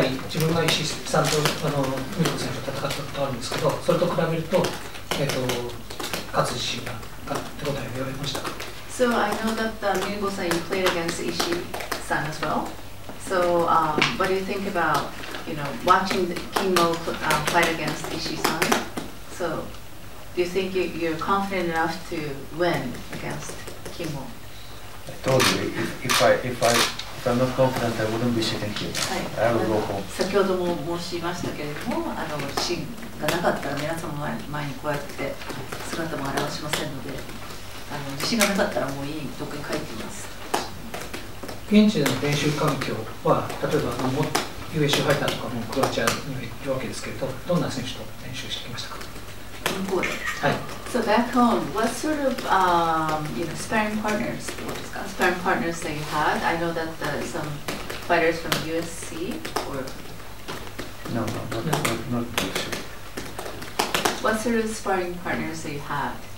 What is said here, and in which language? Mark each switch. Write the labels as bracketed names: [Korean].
[Japanese] 自分が石井さんと美穂選手と戦ったことがあるんですけど、それと比べると、勝つ自信が手応えを得られましたか？ [English] So I know that美穂さん、you played against 石井さん as well. So what do you think about watching the King Mo fight against 石井さん? So do you think you're confident enough to win against King Mo? I told you, If I'm not confident, I wouldn't be sitting here. [Japanese] はい、 [English] I will go home. [Japanese] 先ほども申しましたけれども、芯がなかったら皆様の前にこうやって姿も現しませんので、芯がなかったらもういい、どこに帰っています。現地での練習環境は、例えばUSC ファイターとかもクロアチアにいるわけですけれど、どんな選手と練習してきましたか？向こうで。はい。 [English] So back home, what sort of, you know, sparring partners, what is called, sparring partners that you had? I know that some fighters from USC or... No, not USC. What sort of sparring partners that you had?